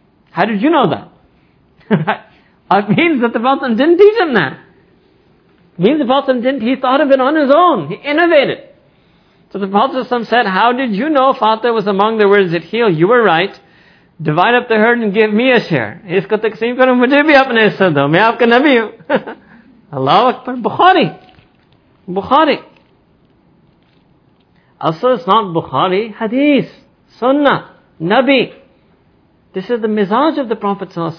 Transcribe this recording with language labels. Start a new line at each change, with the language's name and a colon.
English: How did you know that? It means that the Prophet didn't teach him that. It means the Prophet didn't, he thought of it on his own. He innovated. So the Prophet said, how did you know Fatiha was among the words that heal? You were right. Divide up the herd and give me a share.
Urdu: اسکو تقسیم کرو مجھے بھی اپنے حصہ دو. میں آپکا نبی ہوں.
Arabic: Allahu Akbar.
English: Bukhari. Bukhari. Asa, it's not Bukhari. Hadith. Sunnah. Nabi. This is the mizaj of the Prophet.